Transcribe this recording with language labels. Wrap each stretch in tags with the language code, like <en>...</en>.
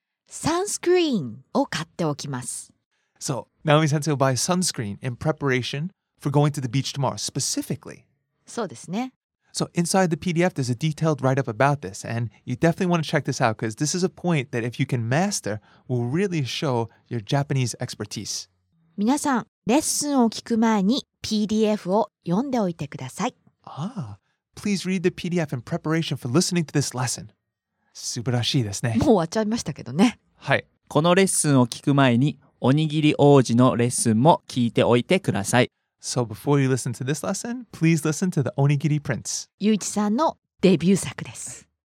<ja>Sunscreen を買っておきます。</ja> <en>So, Naomi-sensei will buy sunscreen in preparation for going to the beach tomorrow, specifically.</en> <ja>そうですね。</ja> <en>So, inside the PDF, there's a detailed write-up about this, and you definitely want to check this out, because this is a point that if you can master, will really show your Japanese expertise.</en> <ja>皆さん、レッスンを聞く前に PDF を読んでおいてください。</ja> <en>Ah, please read the PDF in preparation for listening to this lesson.</en> <ja>素晴らしいですね。もう終わっちゃいましたけどね。はい。このレッスンを聞く前におにぎり王子のレッスンも聞いておいてください。</ja> <en>So before you listen to this lesson, please listen to the Onigiri Prince.</en> <ja>ゆういちさんのデビュー作です。</ja>